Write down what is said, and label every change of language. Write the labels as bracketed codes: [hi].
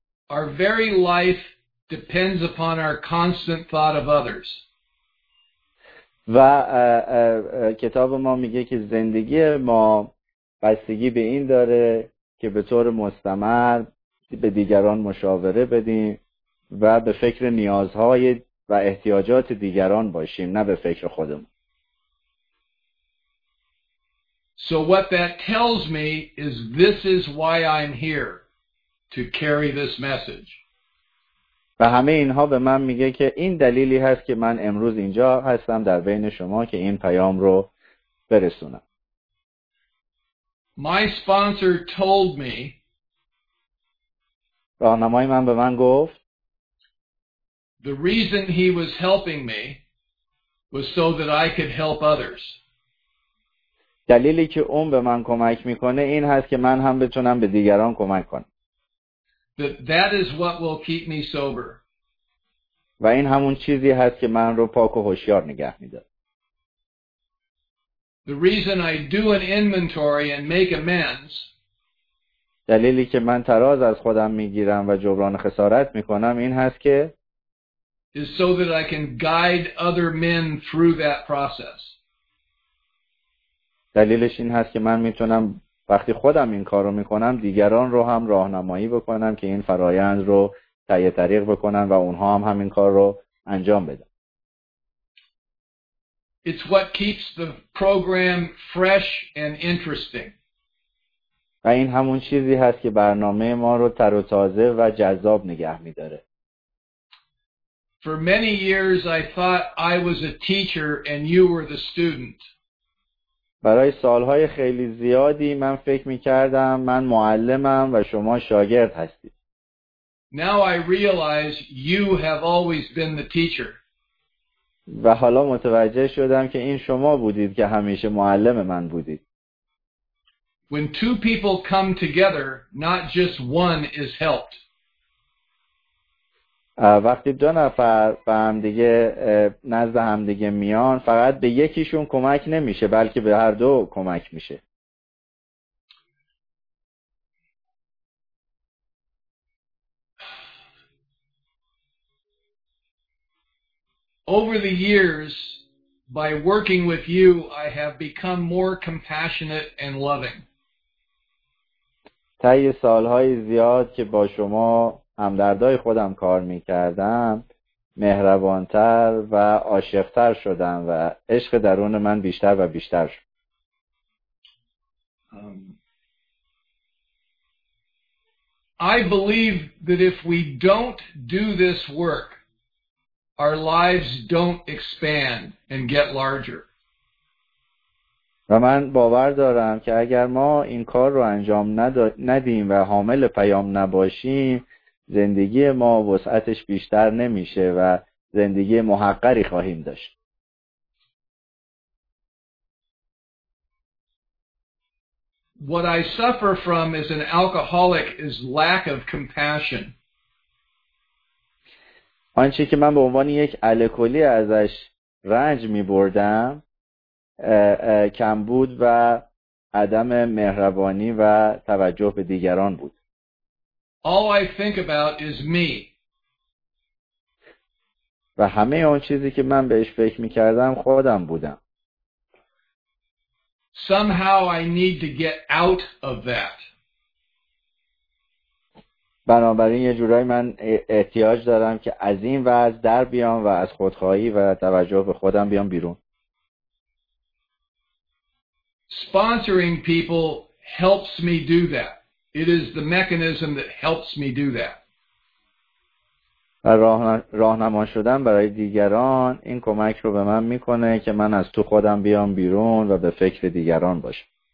[en] Our very life depends upon our constant thought of others. [fa] و کتاب ما میگه که زندگی ما بستگی به این داره که به طور مستمر به دیگران مشاوره بدیم و به فکر نیازهای و احتیاجات دیگران باشیم نه به فکر خودمون. [en] So what that tells me is this is why I'm here. To carry this message. [fa] و همه اینها به من میگه که این دلیلی هست که من امروز اینجا هستم در بین شما که این پیام رو برسونم. [en] My sponsor told me. [fa] راهنمای من به من گفت. [en] The reason he was helping me was so that I could help others. [fa] دلیلی که اون به من کمک میکنه این هست که من هم بتونم به دیگران کمک کنم. [en] That is what will keep me sober. [fa] و این همون چیزی هست که من رو پاک و هوشیار نگه می‌داره. [en] The reason I do an inventory and make amends. [fa] دلیلی که من تراز از خودم می‌گیرم و جبران خسارت می‌کنم این هست که [en] is so that I can guide other men through that process. [fa] دلیلش این هست که من می‌تونم وقتی خودم این کارو میکنم دیگران رو هم راهنمایی بکنم که این فرایند رو طی طریق بکنن و اونها هم همین کار رو انجام بدن. [en] It's what keeps the program fresh and interesting. [fa] و این همون چیزی هست که برنامه ما رو تر و تازه و جذاب نگه میداره. [en] For many years I thought I was a teacher and you were the student. [fa] برای سالهای خیلی زیادی من فکر می‌کردم من معلمم و شما شاگرد هستید. [en] Now I realize you have always been the teacher. [fa] و حالا متوجه شدم که این شما بودید که همیشه معلم من بودید. [en] When two people come together, not just one is helped. [fa] وقتی دو نفر با هم دیگه نزد هم دیگه میان فقط به یکیشون کمک نمیشه بلکه به هر دو کمک میشه. [en] Over the years, by working with you, I have become more compassionate and loving. [fa] طی سالهای زیاد که با شما همدردای خودم کار میکردم مهربانتر و عاشقتر شدم و عشق درون من بیشتر و بیشتر شد. [en] I believe that if we don't do this work, our lives don't expand and get larger. [fa] و من باور دارم که اگر ما این کار رو انجام ندیم و حامل پیام نباشیم زندگی ما وسعتش بیشتر نمیشه و زندگی محقری خواهیم داشت. [en] What I suffer from as an alcoholic is lack of compassion. [fa] آنچه که من به عنوان یک الکلی ازش رنج می‌بردم کمبود و عدم مهربانی و توجه به دیگران بود. [en] All I think about is me. [fa] و همه اون چیزی که من بهش فکر می‌کردم خودم بودم. [en] Somehow I need to get out of that. [fa] بنابراین یه جورایی من احتیاج دارم که از این وضع در بیام و از خودخواهی و توجه به خودم بیام بیرون. [en] Sponsoring people helps me do that. It is the mechanism that helps me do that. [fa] راهنما شدن برای دیگران این کمک رو به من میکنه که من از تو خودم بیام بیرون و به فکر دیگران باشم.